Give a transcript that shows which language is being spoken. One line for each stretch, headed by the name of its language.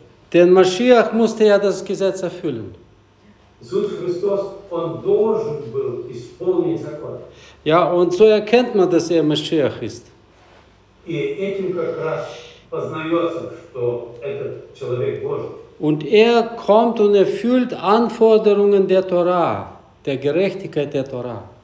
German: Denn Maschiach musste ja das Gesetz erfüllen.
Russian: Jesus Christus, он должен был исполнить закон.
German: Ja, und so erkennt man, dass er Maschiach ist.
Russian: И этим как раз познается, что этот человек Божий.
German: Und er kommt und erfüllt Anforderungen der Torah, der Gerechtigkeit der Torah.